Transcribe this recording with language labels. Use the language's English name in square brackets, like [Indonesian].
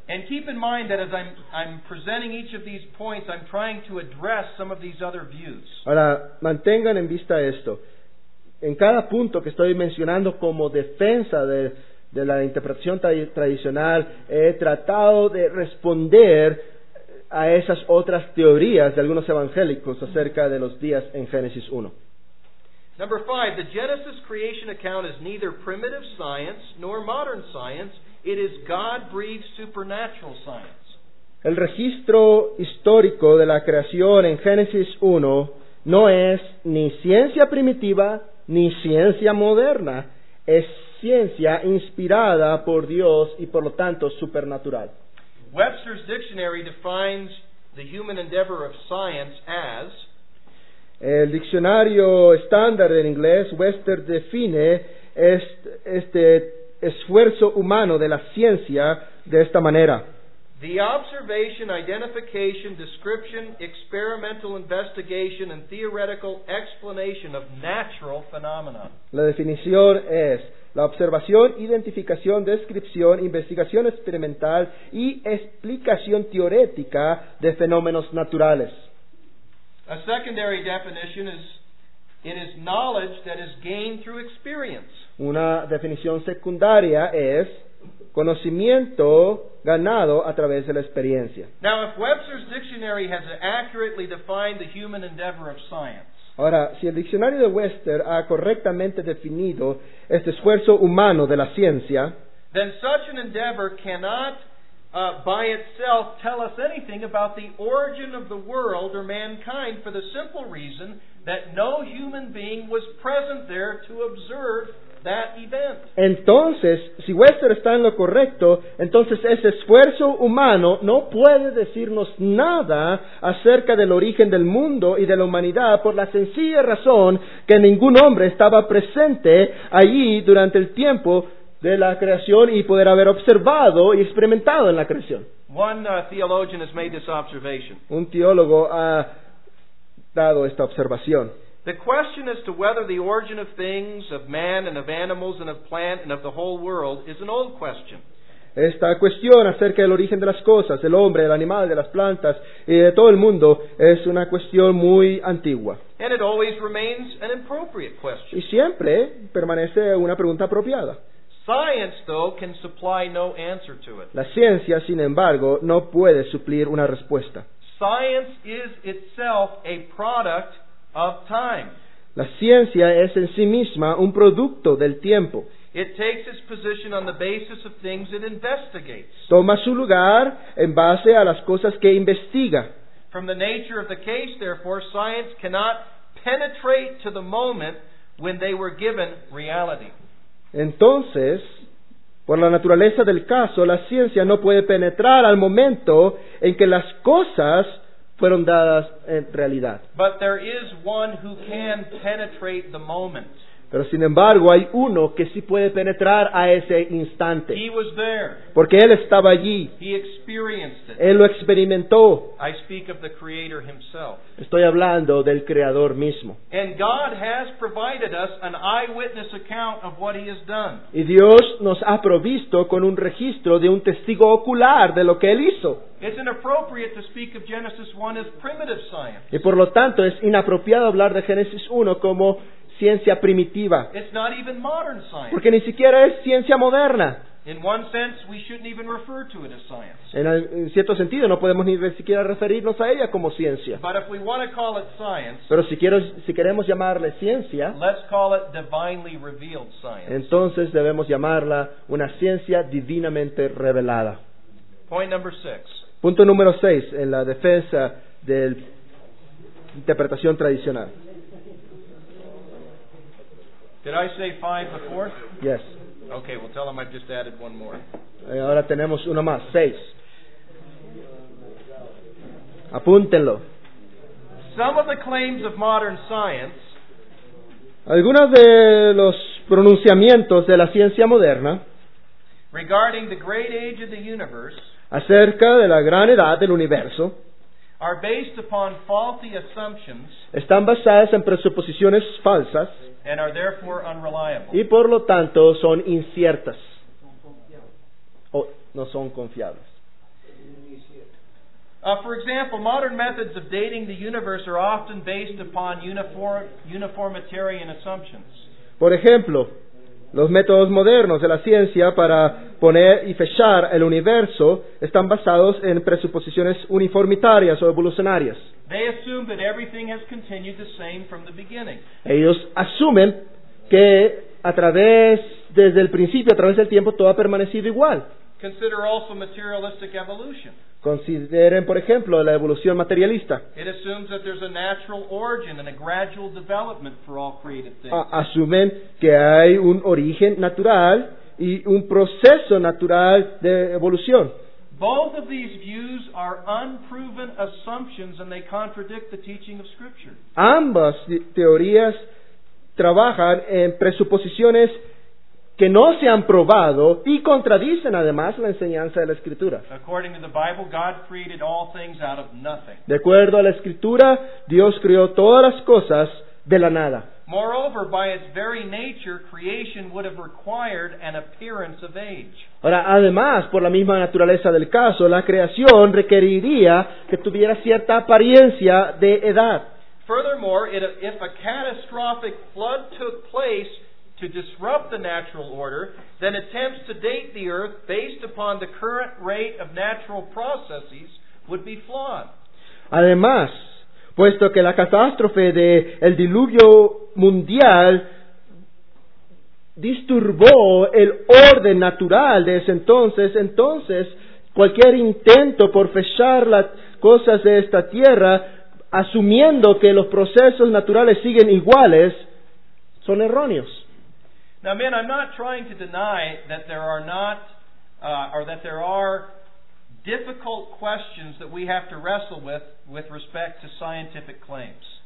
[English] And keep in mind that as I'm presenting each of these points, I'm trying to address some of these other views. [Spanish] Ahora, mantengan en vista esto. En cada punto que estoy mencionando como defensa de la interpretación tradicional, he tratado de responder a esas otras teorías de algunos evangélicos acerca de los días en Génesis 1. [English] Number 5, the Genesis creation account is neither primitive science nor modern science. It is God-breathed supernatural science. [Spanish] El registro histórico de la creación en Génesis 1 no es ni ciencia primitiva ni ciencia moderna, es ciencia inspirada por Dios y por lo tanto supernatural. [English] Webster's Dictionary defines the human endeavor of science as, [Spanish] el diccionario estándar en inglés, Webster define este esfuerzo humano de la ciencia de esta manera: [English] the observation, identification, description, experimental investigation, and theoretical explanation of natural phenomena. [Spanish] La definición es la observación, identificación, descripción, investigación experimental y explicación teórica de fenómenos naturales. [English] A secondary definition is, it is knowledge that is gained through experience. [Spanish] Una definición secundaria es conocimiento ganado a través de la experiencia. [English] Now, if Webster's dictionary has accurately defined the human endeavor of science, [Spanish] ahora, si el diccionario de Webster ha correctamente definido este esfuerzo humano de la ciencia, [English] then such an endeavor cannot by itself tell us anything about the origin of the world or mankind for the simple reason that no human being was present there to observe that event. [Spanish] Entonces, si Webster está en lo correcto, entonces ese esfuerzo humano no puede decirnos nada acerca del origen del mundo y de la humanidad por la sencilla razón que ningún hombre estaba presente allí durante el tiempo de la creación y poder haber observado y experimentado en la creación. [English] One theologian has made this observation. [Spanish] Un teólogo ha dado esta observación. [English] The question as to whether the origin of things, of man and of animals and of plant and of the whole world is an old question. [Spanish] Esta cuestión acerca del origen de las cosas, del hombre, del animal, de las plantas y de todo el mundo es una cuestión muy antigua. [English] And it always remains an appropriate question. [Spanish] Y siempre permanece una pregunta apropiada. [English] Science, though, can supply no answer to it. [Spanish] La ciencia, sin embargo, no puede suplir una respuesta. [English] Science is itself a product of time. [Spanish] La ciencia es en sí misma un producto del tiempo. [English] It takes its position on the basis of things it investigates. [Spanish] Toma su lugar en base a las cosas que investiga. [English] From the nature of the case, therefore, science cannot penetrate to the moment when they were given reality. [Spanish] Entonces, por la naturaleza del caso, la ciencia no puede penetrar al momento en que las cosas fueron dadas en realidad. [English] But there is one who can penetrate the moment. [Spanish] Pero sin embargo, hay uno que sí puede penetrar a ese instante. [English] He was there. [Spanish] Porque él estaba allí. [English] He experienced it. [Spanish] Él lo experimentó. [English] I speak of the Creator himself. [Spanish] Estoy hablando del Creador mismo. [English] And God has provided us an eyewitness account of what he has done. [Spanish] Y Dios nos ha provisto con un registro de un testigo ocular de lo que él hizo. [English] It's inappropriate to speak of Genesis 1 as primitive science. [Spanish] Y por lo tanto, es inapropiado hablar de Génesis 1 como ciencia primitiva. [English] It's not even modern science. [Spanish] Porque ni siquiera es ciencia moderna. [English] In one sense, we shouldn't even refer to it as science. [Spanish] En cierto sentido, no podemos ni siquiera referirnos a ella como ciencia. [English] But if we want to call it science, [Spanish] pero si queremos llamarle ciencia, [English] let's call it divinely revealed science. [Spanish] Entonces debemos llamarla una ciencia divinamente revelada. [English] Point number six. [Spanish] Punto número 6 en la defensa de la interpretación tradicional. [English] Did I say five before? Yes. Okay, well tell them I've just added one more. [Spanish] Ahora tenemos uno más, 6. Apúntenlo. [English] Some of the claims of modern science, [Spanish] algunos de los pronunciamientos de la ciencia moderna, [English] regarding the great age of the universe, [Spanish] acerca de la gran edad del universo, [English] are based upon faulty assumptions, [Spanish] están basadas en presuposiciones falsas, [English] and are therefore unreliable. [Spanish] Y por lo tanto son inciertas. O no son confiables. [English] For example, modern methods of dating the universe are often based upon uniformitarian assumptions. [Spanish] Por ejemplo, los métodos modernos de la ciencia para poner y fechar el universo están basados en presuposiciones uniformitarias o evolucionarias. [English] They assume that everything has continued the same from the beginning. [Spanish] Ellos asumen que desde el principio, a través del tiempo, todo ha permanecido igual. [English] Consider also materialistic evolution. [Spanish] Consideren, por ejemplo, la evolución materialista. [English] It assumes that there's a natural origin and a gradual development for all created things. [Spanish] Asumen que hay un origen natural y un proceso natural de evolución. [English] Both of these views are unproven assumptions and they contradict the teaching of Scripture. [Spanish] Ambas teorías trabajan en presuposiciones que no se han probado y contradicen además la enseñanza de la Escritura. [English] According to the Bible, God created all things out of nothing. [Spanish] De acuerdo a la Escritura, Dios creó todas las cosas de la nada. [English] Moreover, by its very nature, creation would have required an appearance of age. [Spanish] Ahora, además, por la misma naturaleza del caso, la creación requeriría que tuviera cierta apariencia de edad. [English] Furthermore, if a catastrophic flood took place to disrupt the natural order, then attempts to date the earth based upon the current rate of natural processes would be flawed. [Spanish] Además, puesto que la catástrofe de el diluvio mundial disturbó el orden natural de ese entonces, entonces cualquier intento por fechar las cosas de esta tierra, asumiendo que los procesos naturales siguen iguales, son erróneos. [English] Now, men, I'm not trying to deny that there are not, or that there are difficult questions that we have to wrestle with respect to scientific claims.